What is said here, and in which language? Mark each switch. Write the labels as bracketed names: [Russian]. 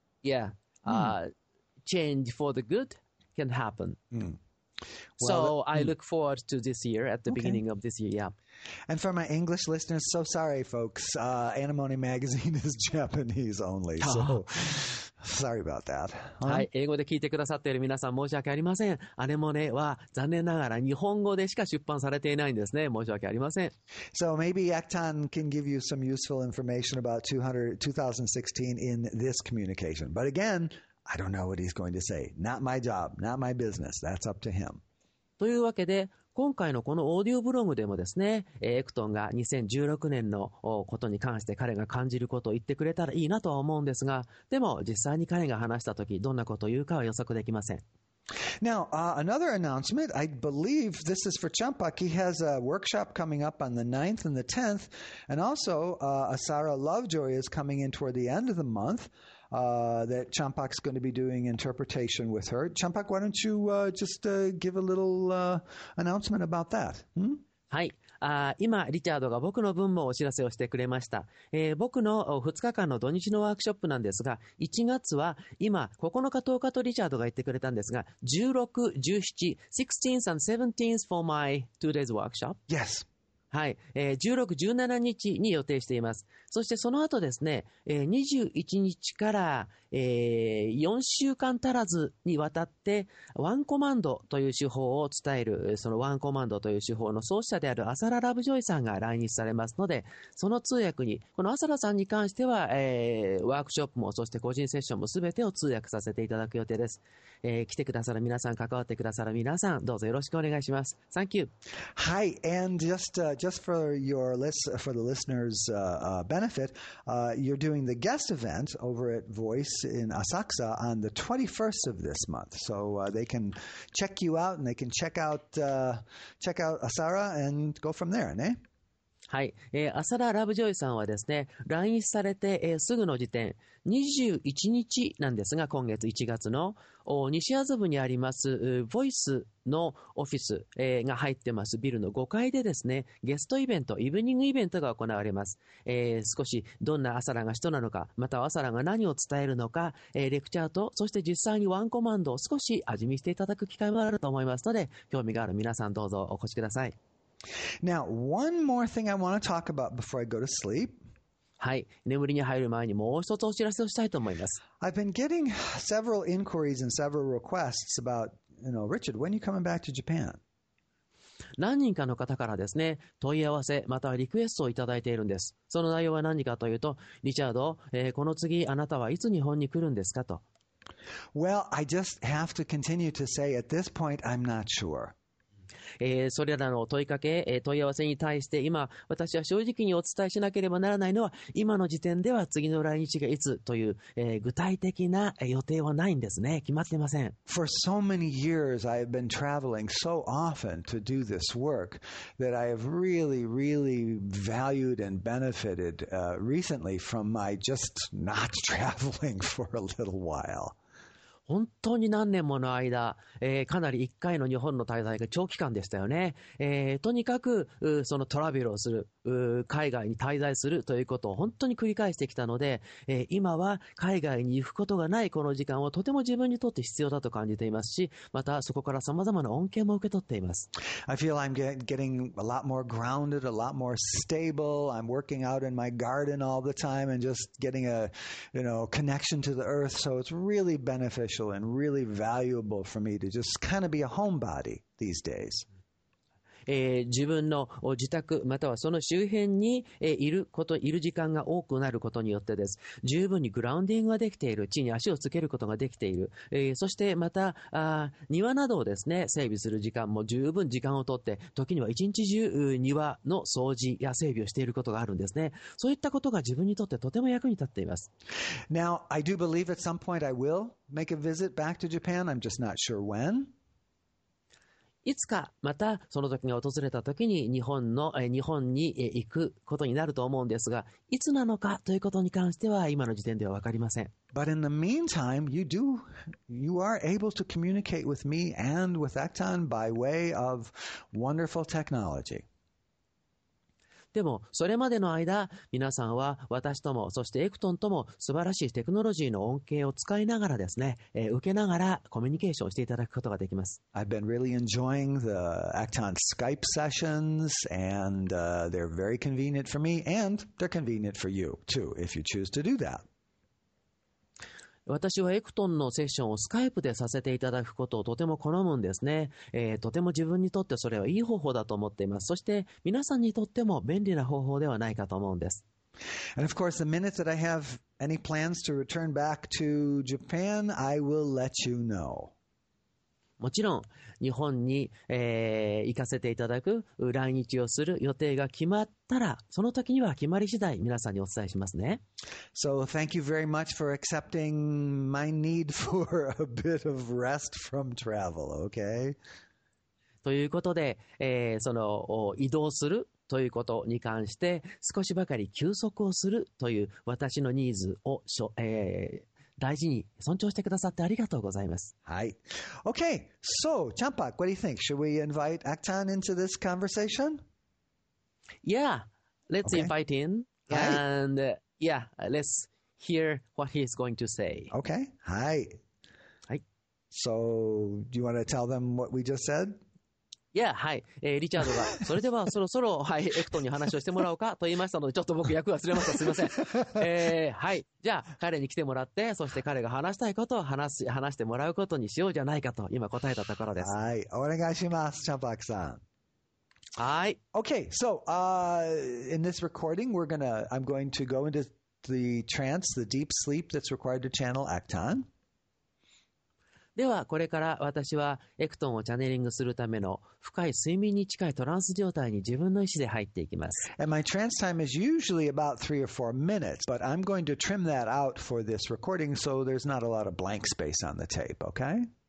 [English] Yeah. Mm. Change for the good can happen. Mm. Well, so I look forward to this year at the beginning of this year, yeah. And for my English listeners, so sorry, folks. Anemone magazine is Japanese only, so sorry about that. [Japanese] はい、英語で聞いてくださっている皆さん申し訳ありません。アネモネは残念ながら日本語でしか出版されていないんですね。申し訳ありません。 [English] So maybe Acton can give you some useful information about 2016 in this communication. But again, I don't know what he's going to say. Not my job. Not my business. That's up to him. [Japanese] というわけで、今回のこのオーディオブログでもですね、エクトンが2016年のことに関して彼が感じることを言ってくれたらいいなとは思うんですが、でも実際に彼が話したとき、どんなことを言うかは予測できません。 [English] Now, another announcement, I believe this is for Champak. He has a workshop coming up on the 9th and the 10th, and also Asara Lovejoy is coming in toward the end of the month that Champak's going to be doing interpretation with her. Champak, why don't you just give a little announcement about that? [Japanese] はい。今、リチャードが僕の分もお知らせをしてくれました。僕の2日間の土日のワークショップなんですが、1月は今、9日、10日とリチャードが言ってくれたんですが、16、17、 [English] 16th and 17th for my 2 days workshop. Yes. [Japanese] はい、16、17日に予定しています。そしてその後ですね、21日から、4週間足らずにわたってワンコマンドという手法を伝える、そのワンコマンドという手法の創始者であるアサラ・ラブジョイさんが来日されますので、その通訳に、このアサラさんに関しては、ワークショップもそして個人セッションもすべてを通訳させていただく予定です。来てくださる皆さん、関わってくださる皆さん、どうぞよろしくお願いします。 [English] Thank you. Hi, and just for your list, for the listeners' benefit, you're doing the guest event over at Voice in Asakusa on the 21st of this month. So they can check you out, and they can check out Asara and go from there, ne? [Japanese] はい、アサラ・ラブジョイさんはですね、来日されて、すぐの時点21日なんですが、今月1月の西麻布にありますボイスのオフィス、が入ってますビルの5階でですね、ゲストイベント、イブニングイベントが行われます。少しどんなアサラが人なのか、またアサラが何を伝えるのか、レクチャーと、そして実際にワンコマンドを少し味見していただく機会もあると思いますので、興味がある皆さん、どうぞお越しください。 [English] Now, one more thing I want to talk about before I go to sleep. [Japanese] はい、眠りに入る前にもう一つお知らせをしたいと思います。 [English] I've been getting several inquiries and several requests about, you know, Richard, when are you coming back to Japan? [Japanese] 何人かの方からですね、問い合わせまたはリクエストをいただいているんです。その内容は何かというと、リチャード、この次あなたはいつ日本に来るんですかと。 [English] Well, I just have to continue to say at this point, I'm not sure. [Japanese] それらの問いかけ、問い合わせに対して今私は正直にお伝えしなければならないのは、今の時点では次の来日がいつという、具体的な予定はないんですね。決まっていません。 [English] For so many years I have been traveling so often to do this work that I have really, really valued and benefited recently from my just not traveling for a little while. [Japanese] 本当に何年もの間、かなり1回の日本の滞在が長期間でしたよね。とにかくそのトラベルをする、海外に滞在するということを本当に繰り返してきたので、今は海外に行くことがないこの時間をとても自分にとって必要だと感じていますし、またそこからさまざまな恩恵も受け取っています。 [English] I feel I'm getting a lot more grounded, a lot more stable. I'm working out in my garden all the time and just getting a, you know, connection to the earth. So it's really beneficial. And really valuable for me to just kind of be a homebody these days. [Japanese] 自分の自宅またはその周辺にいる時間が多くなることによってです、十分にグラウンディングができている、地に足をつけることができている、そしてまた庭などをですね、整備する時間も十分時間をとって、時には一日中庭の掃除や整備をしていることがあるんですね。そういったことが自分にとってとても役に立っています。 [English] Now I do believe at some point I will make a visit back to Japan. I'm just not sure when [Japanese] いつかまたその時が訪れた時に日本に行くことになると思うんですが、いつなのかということに関しては今の時点では分かりません。 [English] But in the meantime, you are able to communicate with me and with Acton by way of wonderful technology. [Japanese] でもそれまでの間、皆さんは私ともそしてエクトンとも素晴らしいテクノロジーの恩恵を使いながらですね、受けながらコミュニケーションしていただくことができます。 [English] I've been really enjoying the Acton Skype sessions and they're very convenient for me and they're convenient for you too if you choose to do that. [Japanese] 私はエクトンのセッションをスカイプでさせていただくことをとても好むんですね。とても自分にとってそれはいい方法だと思っています。そして皆さんにとっても便利な方法ではないかと思うんです。 [English] And of course, the minute that I have any plans to return back to Japan, I will let you know. [Japanese] もちろん日本に、行かせていただく、来日をする予定が決まったら、その時には決まり次第皆さんにお伝えしますね。 [English] So thank you very much for accepting my need for a bit of rest from travel, okay? [Japanese] ということで、その移動するということに関して少しばかり休息をするという私のニーズを大事に尊重してくださってありがとうございます。 [English] はい。Okay. So, Champak, what do you think? Should we invite Acton into this conversation? Yeah. Let's invite him. And yeah, let's hear what he is going to say. Okay. Hi. Hi. So, do you want to tell them what we just said? [Japanese] いや、はい、リチャードがそれではそろそろ、はい、エクトンに話をしてもらおうかと言いましたので、ちょっと僕役忘れました、すいません。はい、じゃあ彼に来てもらって、そして彼が話したいことを話してもらうことにしようじゃないかと今答えたところです。はい、お願いします、チャンパークさん。はい、 [English] Okay, so in this recording I'm going to go into the trance, the deep sleep that's required to channel Acton. [Japanese] ではこれから私はエクトンをチャネリングするための深い睡眠に近いトランス状態に自分の意思で入っていきます。 [English] And my trance time is usually about 3 or 4 minutes, but I'm going to trim that out for this recording so there's not a lot of blank space on the tape, okay?